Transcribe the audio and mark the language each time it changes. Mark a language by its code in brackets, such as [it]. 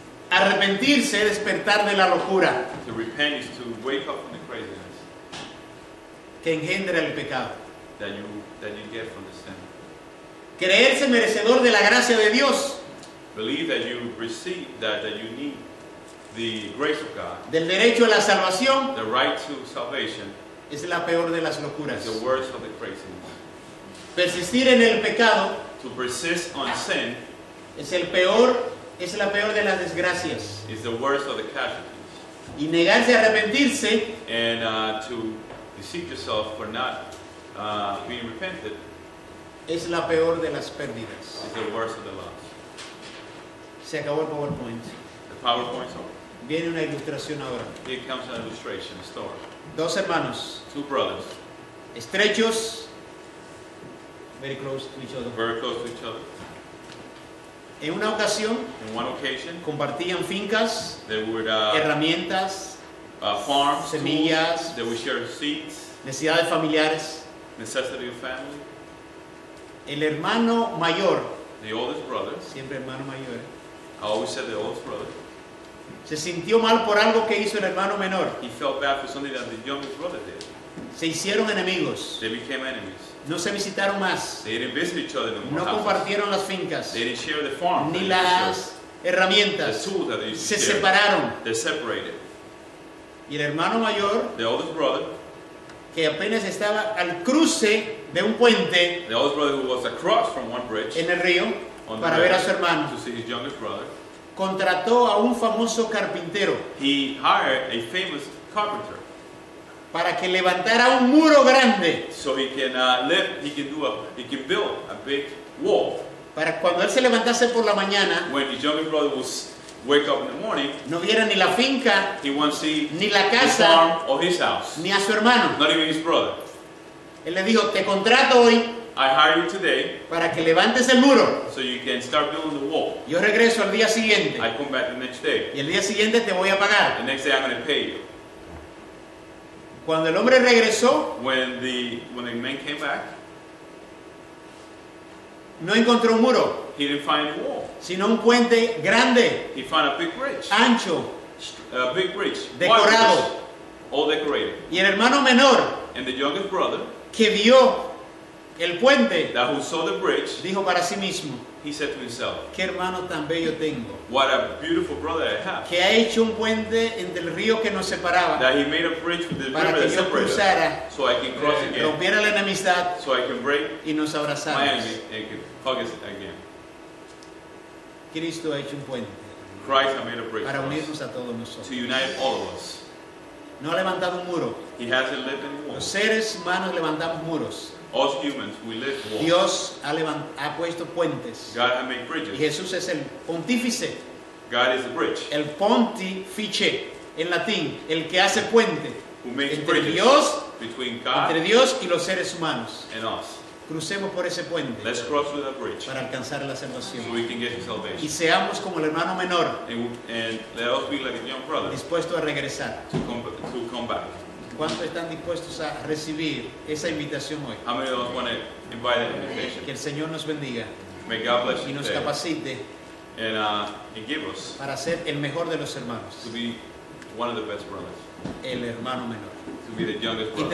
[es] Arrepentirse es despertar de la locura. [en] To repent is to wake up from the craziness. [es] Que engendra el pecado. [en] That you get from the sin. [es] Creerse merecedor de la gracia de Dios. [en] Believe that you receive that you need the grace of God. [es] Del derecho a la salvación. [en] The right to salvation. [es] Es la peor de las locuras. [en] The worst of the craziness. [es] Persistir en el pecado. [en] To persist on sin. [es] Es la peor de las desgracias. [en] Is the worst of the casualties. [es] y negarse a arrepentirse, [en] and to deceive yourself for not being repentant, [es] es la peor de las pérdidas. [en] Is the worst of the loss. [es] Se acabó el PowerPoint. [en] The PowerPoint's over. [es] Viene una ilustración ahora. [en] Here comes an illustration, a story. [es] Dos hermanos. [en] Two brothers. [es] Estrechos. [en] Very close to each other. Very close to each other. [es] En una ocasión, [en] in one occasion, [es] compartían fincas, [en] they would, [es] herramientas, [en] farms, [es] semillas, [en] tools, they would share seeds, [es] necesidades familiares. [en] Necessity of family. [es] El hermano mayor, [en] the oldest brother, [es] siempre hermano mayor, [en] I always said the oldest brother, [es] se sintió mal por algo que hizo el hermano menor. [en] He felt bad for something that the youngest brother did. [es] Se hicieron enemigos. [en] They became enemies. [es] No se visitaron más. [en] They didn't visit each other anymore. [es] No compartieron las fincas. [en] They didn't share the farm. [es] Ni las herramientas. [en] The tools that they used to share. [es] Se separaron. [en] They separated. [es] Y el hermano mayor, [en] the oldest brother, [es] que apenas estaba al cruce de un puente, [en] the oldest brother who was across from one bridge, [es] en el río, para ver a su hermano, [en] to see his youngest brother, [es] contrató a un famoso carpintero. [en] He hired a famous carpenter. [es] Para que levantara un muro grande. [en] So he can lift, he can do a, he can build a big wall. [es] Para cuando él se levantase por la mañana. [en] When his younger brother would wake up in the morning. [es] No viera ni la finca. [en] He won't see. [es] Ni la casa. [en] His farm or his house. [es] Ni a su hermano. [en] Not even his brother. [es] Él le dijo, te contrato hoy. [en] I hire you today. [es] Para que levantes el muro. [en] So you can start building the wall. [es] Yo regreso al día siguiente. [en] I come back the next day. [es] Y el día siguiente te voy a pagar. [en] The next day I'm going to pay you. [es] Cuando el hombre regresó, [en] when the man came back, [es] no encontró un muro, [en] he didn't find a wall, [es] sino un puente grande, [en] he found a big bridge, [es] ancho, [en] a big bridge, [es] decorado, [en] all decorated. [es] Y el hermano menor, [en] and the youngest brother, [es] que vio el puente, [en] that who saw the bridge, [es] dijo para sí mismo, [en] he said to himself, [es] qué hermano tan bello tengo. [en] What a beautiful brother I have. [es] Que ha hecho un puente entre el río que nos separaba. [en] That he made a bridge with the river that separated. [es] Para que yo cruzara. [en] So I can cross again. [es] Rompiera la enemistad. [en] So I can break. [es] Y nos abrazamos. [en] My enemy and can hug us again. [es] Cristo ha hecho un puente. [en] Christ has made a bridge. [es] Para unirnos a todos nosotros. [en] To unite all of us. [es] No ha levantado un muro. [en] He hasn't lived any wall. [es] Los seres humanos levantamos muros. [en] Us humans, we live walls. [es] Dios ha puesto puentes. [en] God has made bridges. [es] Y Jesús es el pontífice. [en] God is the bridge. [es] El pontifice, en latín, el que hace puente. [en] Who makes [es] entre [en] bridges [es] Dios, [en] between God [es] entre Dios y los seres humanos. [en] And us. [es] Crucemos por ese puente. [en] Let's cross through that bridge. [es] Para alcanzar la salvación. [en] So we can get to salvation. [es] Y seamos como el hermano menor. [en] And let us be like a young brother. [es] Dispuesto a regresar. [en] To come back. [es] ¿Cuántos están dispuestos a recibir esa invitación hoy? [en] How many of us want to invite that invitation? [es] Que el Señor nos bendiga. [en] May God bless you. [es] Y nos capacite. [en] And give us. [es] Para ser el mejor de los hermanos. [en] To be one of the best brothers. [es] El hermano menor. [en] To be the youngest brother.